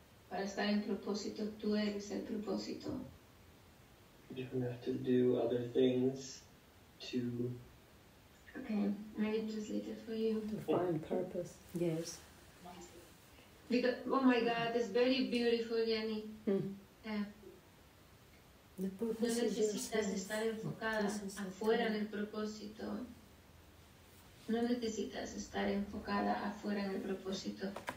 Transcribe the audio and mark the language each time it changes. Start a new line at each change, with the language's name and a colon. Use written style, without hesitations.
Spanish: Para estar en propósito, tú eres el propósito.
English: You don't have to do other things to... Okay, maybe translate it for you. To find purpose, yes. Because, oh my God, it's very beautiful, Jenny. The purpose
Spanish: no necesitas estar enfocada afuera en el propósito. No necesitas estar enfocada afuera en el propósito.